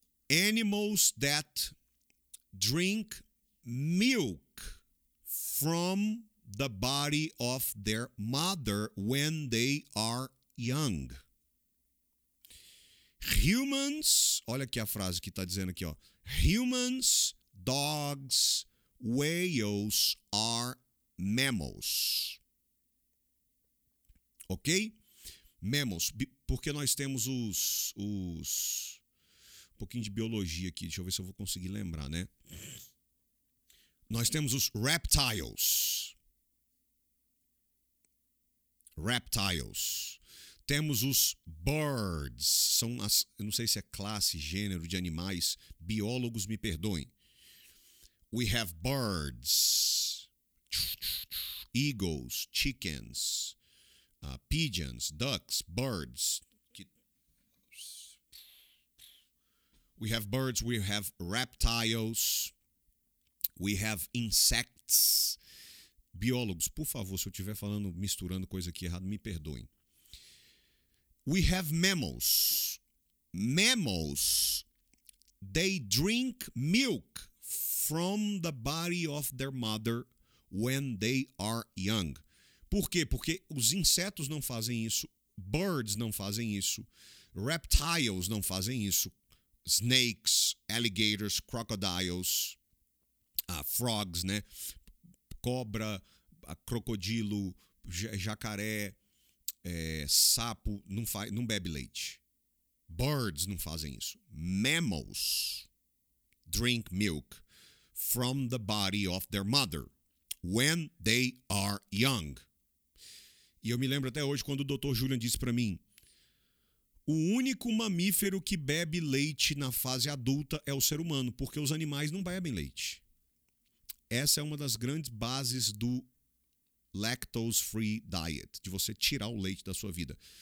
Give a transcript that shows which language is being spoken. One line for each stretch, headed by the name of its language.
English: Animals that drink milk from the body of their mother when they are young.
Portuguese: Humans, olha aqui a frase que está dizendo aqui, ó.
English: Humans, dogs, whales are mammals.
Portuguese: Ok? Mammals, porque nós temos os um pouquinho de biologia aqui, deixa eu ver se eu vou conseguir lembrar, né? Nós temos os reptiles. Reptiles. temos os birds, são as, eu não sei se é classe, gênero de animais, biólogos me perdoem.
English: We have birds, eagles, chickens, pigeons, ducks, birds. We have birds, we have reptiles, we have insects.
Portuguese: Biólogos, por favor, se eu estiver falando, misturando coisa aqui errado, me perdoem.
English: We have mammals. Mammals, they drink milk from the body of their mother when they are young.
Portuguese: Por quê? Porque os insetos não fazem isso, birds não fazem isso, reptiles não fazem isso, snakes, alligators, crocodiles, frogs, né? Cobra, crocodilo, jacaré, sapo, não bebe leite. Birds não fazem isso.
English: Mammals drink milk from the body of their mother when they are young.
Portuguese: E eu me lembro até hoje quando o Dr. Julian disse para mim: o único mamífero que bebe leite na fase adulta é o ser humano, porque os animais não bebem leite. Essa é uma das grandes bases do lactose-free diet, de você tirar o leite da sua vida.